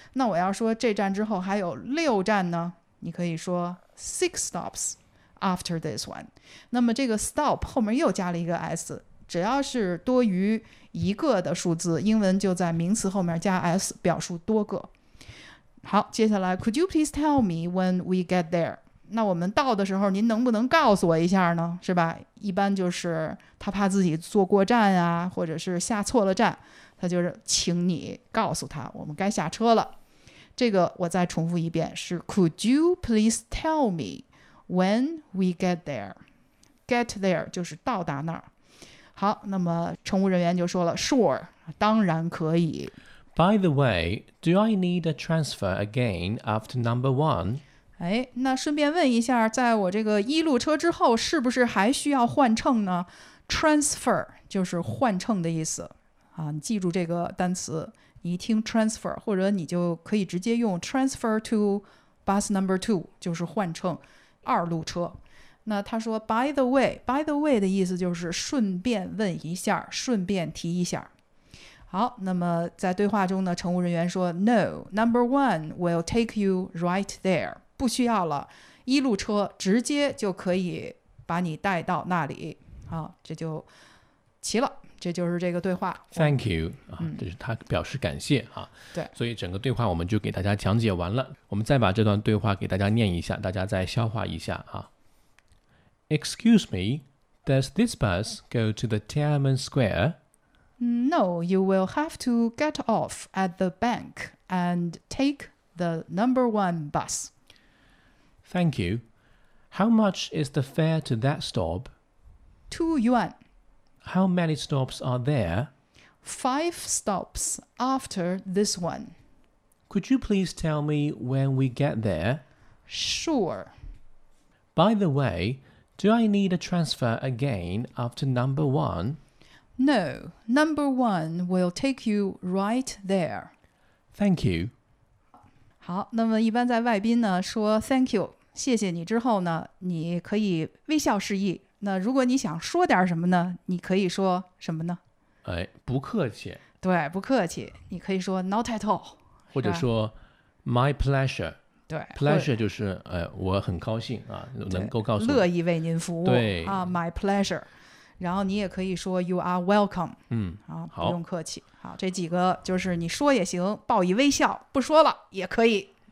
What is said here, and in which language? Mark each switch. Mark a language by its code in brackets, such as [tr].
[zh] 那我要说这站之后还有6站呢，你可以说 [en] 6 stopsAfter this one， [zh] 那么这个 stop 后面又加了一个 s， 只要是多于一个的数字，英文就在名词后面加 s， 表述多个。好，接下来 [en] Could you please tell me when we get there？ [zh] 那我们到的时候，您能不能告诉我一下呢？是吧？一般就是他怕自己坐过站啊，或者是下错了站，他就是请你告诉他我们该下车了。这个我再重复一遍，是 [en] Could you please tell me？ When we get there， get there [zh] 就是到达那儿。好，那么乘务人员就说了 sure， 当然可以。 [en] By the way， do I need a transfer again after number one？ [zh] 哎，那顺便问一下，在我这个一路车之后是不是还需要换乘呢？ transfer 就是换乘的意思，你记住这个单词，你一听 transfer， 或者你就可以直接用 [en] transfer to bus number two， [zh] 就是换乘二路车。那他说 [en] by the way， [zh] by the way 的意思就是顺便问一下，顺便提一下。好，那么在对话中呢，乘务人员说 [en] no， number one will take you right there， [zh] 不需要了，一路车直接就可以把你带到那里。好，这就齐了，这就是这个对话。 [en] thank you， [zh] 这是他表示感谢，对，所以整个对话我们就给大家讲解完了，我们再把这段对话给大家念一下，大家再消化一下。 [en] Excuse me， does this bus go to the Tiananmen Square？ No， you will have to get off at the bank and take the number one bus。 Thank you， how much is the fare to that stop？ 2 yuan。 How many stops are there? 5 stops after this one. Could you please tell me when we get there? Sure. By the way, do I need a transfer again after number 1? No, number 1 will take you right there. Thank you. [zh] 好，那么一般在外宾呢，说 [en] thank you， [zh] 谢谢你之后呢，你可以微笑示意。那如果你想说点什么呢，你可以说什么呢？哎，不客气。对，不客气，你可以说 [en] not at all， [zh] 或者说 [en] my pleasure。 [zh] 对，pleasure 就是我很高兴啊，能够告诉乐意为您服务，对啊 ， [en] my pleasure。 [zh] 然后你也可以说 [en] you are welcome，嗯， [zh] 啊，不用客气。好，这几个就是你说也行，报以微笑，不说了也可以。